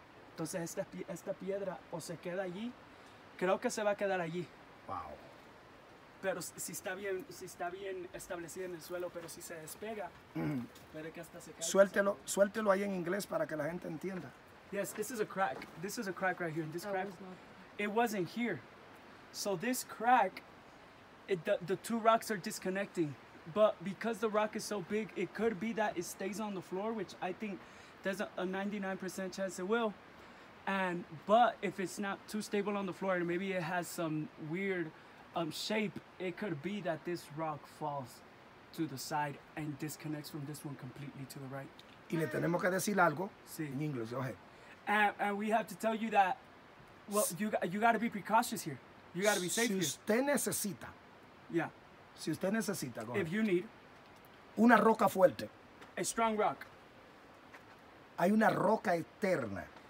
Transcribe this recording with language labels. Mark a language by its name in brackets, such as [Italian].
[Spanish] Entonces esta piedra o se queda allí. Creo que se va a quedar allí. [English] Wow. [Spanish] Pero si está bien establecida en el suelo, pero si se despega, puede que hasta se caiga. Suéltelo ahí en inglés para que la gente entienda. [English] Yes, this is a crack. This is a crack right here. This crack, it wasn't here. So this crack the two rocks are disconnecting, but because the rock is so big, it could be that it stays on the floor, which I think there's a 99% chance it will. And but if it's not too stable on the floor and maybe it has some weird shape, it could be that this rock falls to the side and disconnects from this one completely to the right. [Spanish] Y le tenemos que decir algo en inglés, [English] go ahead. And we have to tell you that, well, you got to be precautious here. You got to be safe here. [Spanish] Si usted necesita. [English] Yeah. [Spanish] Si usted necesita, [English] go ahead. If you need. [Spanish] Una roca fuerte. [English] A strong rock. [Spanish] Hay una roca eterna.